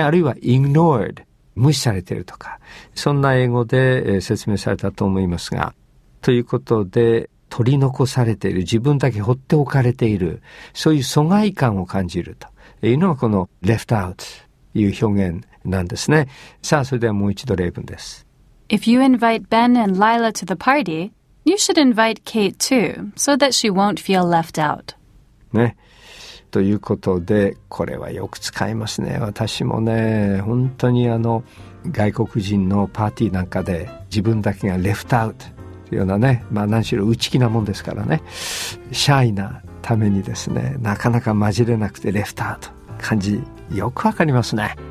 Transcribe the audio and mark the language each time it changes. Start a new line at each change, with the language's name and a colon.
Japanese: あるいは ignored、無視されているとか、そんな英語で説明されたと思いますが、ということで取り残されている、自分だけ放っておかれている、そういう疎外感を感じるというのがこの left out という表現なんですね。さあ、それではもう一度例文です。
English: If you invite Ben and Lila to the party, you should invite Kate too, so that she won't feel left out.
Japanese: ね、ということで、これはよく使いますね。私もね、本当に外国人のパーティーなんかで自分だけがレフトアウトというようなね、まあ何しろ内気なもんですからね、シャイなためにですね、なかなか混じれなくてレフトアウト、感じよくわかりますね。